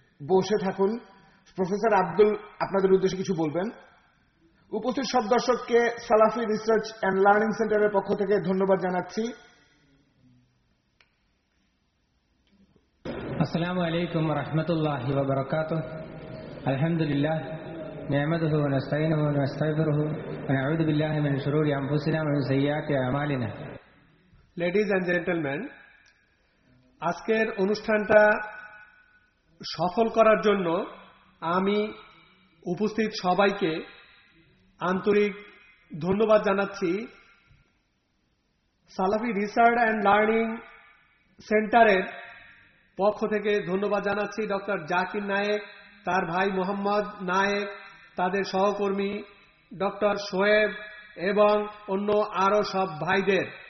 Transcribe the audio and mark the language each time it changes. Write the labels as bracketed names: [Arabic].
[Bangla] বসে থাকুন, প্রফেসর আব্দুল আপনাদের উদ্দেশ্যে কিছু বলবেন। উপস্থিত সব দর্শককে সালাফি রিসার্চ অ্যান্ড লার্নিং সেন্টারের পক্ষ থেকে ধন্যবাদ জানাচ্ছি। [Arabic] আসসালামু আলাইকুম ওয়া রাহমাতুল্লাহি ওয়া বারাকাতুহু। আলহামদুলিল্লাহ نعمده ونستعينه ونستغفره ونعوذ بالله من شرور انفسنا ومن سيئات اعمالنا। [Bangla] লেডিজ এন্ড জেন্টলম্যান, আজকের অনুষ্ঠানটা সফল করার জন্য আমি উপস্থিত সবাইকে আন্তরিক ধন্যবাদ জানাচ্ছি। সালাফি রিসার্চ অ্যান্ড লার্নিং সেন্টারের পক্ষ থেকে ধন্যবাদ জানাচ্ছি ডক্টর জাকির নায়েক, তার ভাই মোহাম্মদ নায়েক, তাদের সহকর্মী ডক্টর শোয়েব এবং অন্য আরো সব ভাইদের।